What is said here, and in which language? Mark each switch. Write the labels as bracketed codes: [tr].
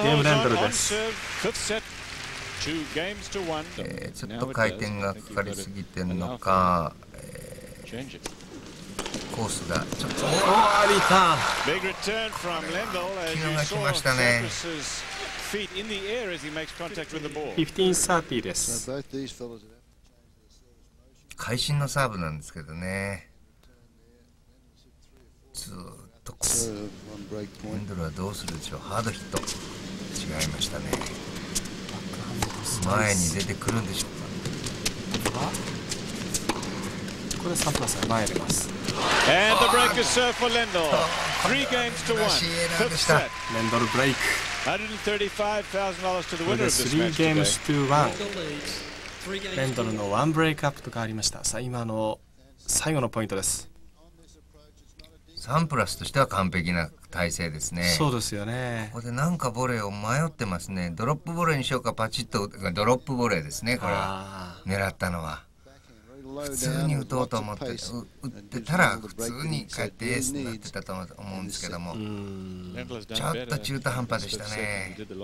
[en] holds on one serve, fifth set, two games to one. [ja] ちょっと回転がかかりすぎてるのか、コースがちょっと。おー、リターン。 [en] Big return from Lendl as he saw Sampras's feet in the air as he makes contact with the ball. [ja] 15-30 です。会心のサーブなんですけどね。ずっとこう。エンドルはどうするでしょう。ハードヒット。違いましたね。前に出てくるんでしょうか。これサンプラスが前に出ます。 [en] And the break is served for Lendl. Three games to one. Fifth set. Lendl break. $135,000 to the winner of this match. Three games to one. [ja] レンドルのワンブレイクアップとかありました。さあ今の最後のポイントです。サンプラスとしては完璧な体勢ですね。そうですよね。ここでなんかボレーを迷ってますね。ドロップボレーにしようか、パチッとドロップボレーですね。これは狙ったのは普通に打とうと思って、打ってたら普通に帰ってエースになってたと思うんですけども、ちょっと中途半端でしたね。